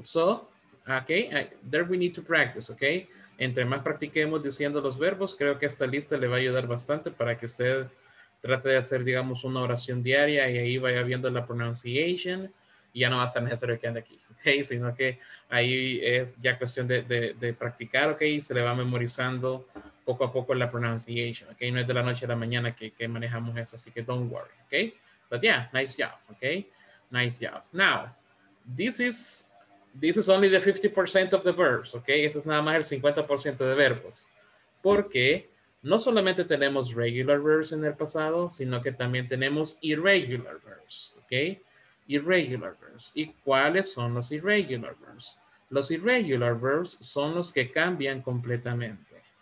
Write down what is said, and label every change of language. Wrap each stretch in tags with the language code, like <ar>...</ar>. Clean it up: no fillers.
<en>So, okay, there we need to practice, okay?</en> <es>Entre más practiquemos diciendo los verbos, creo que esta lista le va a ayudar bastante para que usted trate de hacer, digamos, una oración diaria y ahí vaya viendo la pronunciation. Y ya no va a ser necesario que ande aquí, okay? Sino que ahí es ya cuestión de practicar, okay? Y se le va memorizando poco a poco la pronunciation, okay? No es de la noche a la mañana que manejamos eso, así que</es> <en>don't worry,</en> <es>okay?</es> <en>But yeah, nice job, okay? Nice job. Now, this is only the 50% of the verbs, okay?</en> <es>Eso es nada más el 50% de verbos. Porque no solamente tenemos regular verbs en el pasado, sino que también tenemos irregular verbs, okay? Irregular verbs. ¿Y cuáles son los irregular verbs? Los irregular verbs son los que cambian completamente.</es>